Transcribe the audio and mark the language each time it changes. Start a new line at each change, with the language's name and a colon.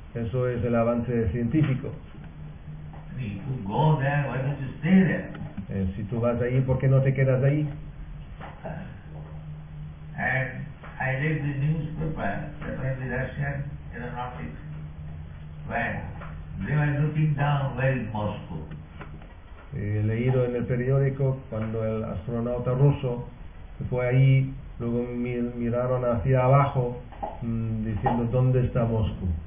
Spanish: Eso es el avance científico. Si tú vas ahí, ¿por qué no te quedas ahí?
English: And I read the newspaper, the Russian aeronautics, when they were looking down where Moscow.
Spanish: He leído en el periódico cuando el astronauta ruso fue ahí. Luego miraron hacia abajo, diciendo, ¿dónde está Moscú?